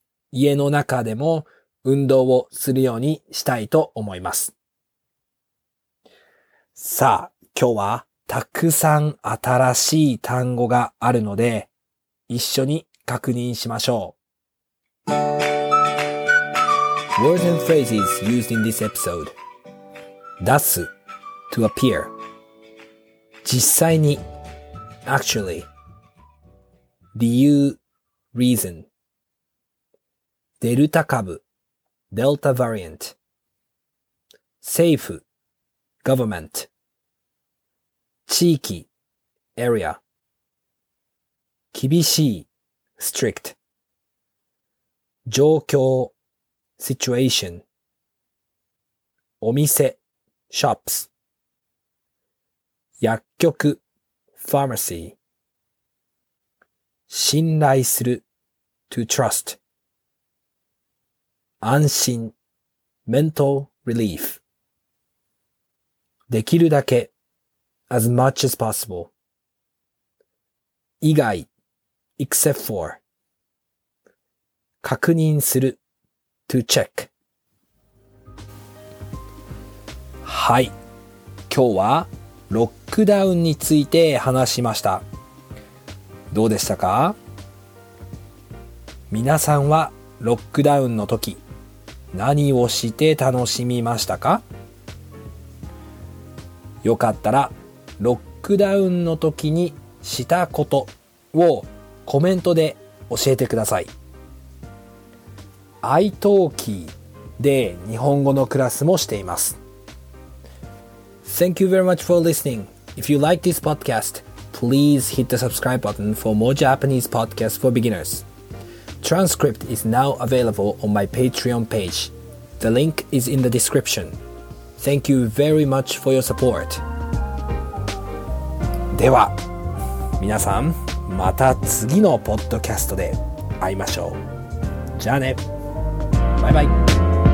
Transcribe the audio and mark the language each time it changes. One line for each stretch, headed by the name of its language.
Japanese: 家の中でも運動をするようにしたいと思います。さあ、今日はたくさん新しい単語があるので、一緒に確認しましょう。
English: Words and phrases used in this episode.
Japanese: 出す
English: to appear.
Japanese: 実際に
English: actually.
Japanese: 理由
English: reason.
Japanese: デルタ株
English: delta variant. Safe government.
Japanese: 地域
English: area.
Japanese: 厳しい
English: strict.
Japanese: 状況
English: situation,
Japanese: お店
English: shops,
Japanese: 薬局
English: pharmacy,
Japanese: 信頼する
English: to trust,
Japanese: 安心
English: mental relief,
Japanese: できるだけ
English: as much as possible,
Japanese: 以外
English: except for,
Japanese: 確認する
English: to check.
Japanese: はい。今日はロックダウンについて話しました。どうでしたか？皆さんはロックダウンの時、何をして楽しみましたか？よかったらロックダウンの時にしたことをコメントで教えてください。 iTalki で日本語のクラスもしています。
English: Thank you very much for listening. If you like this podcast, please hit the subscribe button for more Japanese podcasts for beginners. Transcript is now available on my Patreon page. The link is in the description. Thank you very much for your support.
Japanese: では、皆さん、また次のポッドキャストで会いましょう。じゃあね。
English: Bye-bye.